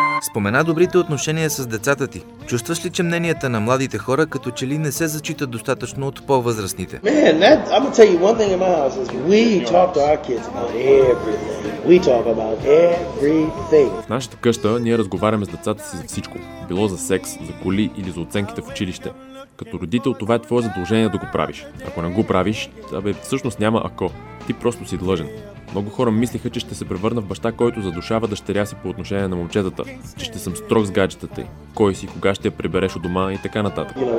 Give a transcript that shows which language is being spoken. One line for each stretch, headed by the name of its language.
Bulgarian: Спомена добрите отношения с децата ти. Чувстваш ли, че мненията на младите хора като че ли не се зачитат достатъчно от по-възрастните?
English: Man, I'm gonna tell you one thing in my house is we talk to our kids about everything. We talk about everything.
Bulgarian: В нашата къща ние разговаряме с децата си за всичко. Било за секс, за коли или за оценките в училище. Като родител, това е твое задължение да го правиш. Ако не го правиш, абе, всъщност няма ако. Ти просто си длъжен. Много хора мислиха, че ще се превърна в баща, който задушава дъщеря си по отношение на момчетата, че ще съм строг с гаджетата й, кой си, кога ще я прибереш от дома и така нататък.